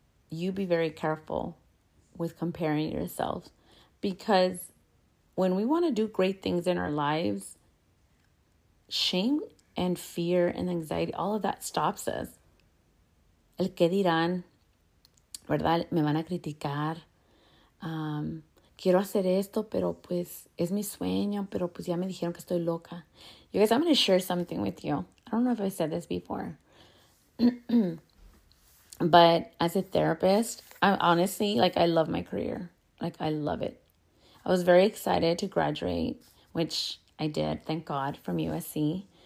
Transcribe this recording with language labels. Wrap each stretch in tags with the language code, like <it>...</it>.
<en>You be very careful with comparing yourself, because when we want to do great things in our lives, shame and fear and anxiety, all of that stops us.</en> <es>El que dirán, ¿verdad? Me van a criticar. Quiero hacer esto, pero pues es mi sueño, pero pues ya me dijeron que estoy loca.</es> <en>You guys, I'm going to share something with you. I don't know if I said this before. But as a therapist, I'm honestly, like, I love my career. Like, I love it. I was very excited to graduate, which I did, thank God, from USC.</en>